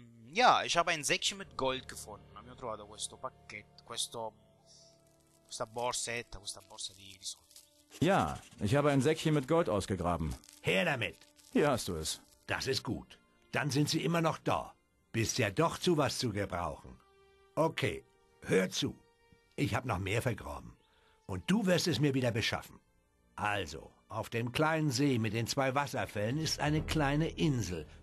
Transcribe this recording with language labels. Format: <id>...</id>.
<de>Ja, yeah, ich habe ein Säckchen mit Gold gefunden.</de> <it>Abbiamo trovato questo pacchetto, questa borsa di soldi.</it> <de>Ja, ich habe ein Säckchen mit Gold ausgegraben. Her damit! Hier hast du es. Das ist gut. Dann sind sie immer noch da. Bist ja doch zu was zu gebrauchen. Okay, hör zu. Ich habe noch mehr vergraben. Und du wirst es mir wieder beschaffen. Also, auf dem kleinen See mit den zwei Wasserfällen ist eine kleine Insel.</de>